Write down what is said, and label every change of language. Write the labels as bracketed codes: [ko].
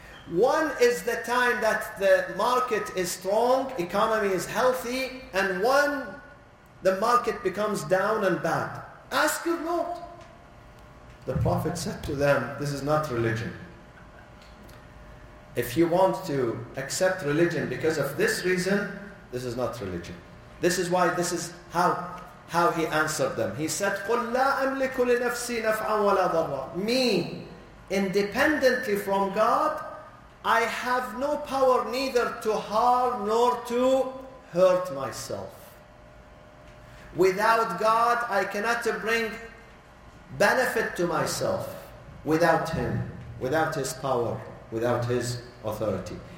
[en] One is the time that the market is strong, economy is healthy, and one, the market becomes down and bad. Ask your Lord. The Prophet said to them, this is not religion. If you want to accept religion because of this reason, this is not religion. This is why, this is how he answered them. He said, [ar] قُلْ لَا أَمْلِكُ لِنَفْسِي نَفْعًا وَلَا ضَرًّا. [en] Me, independently from God, I have no power neither to harm nor to hurt myself. Without God, I cannot bring benefit to myself without him, without his power, without his authority.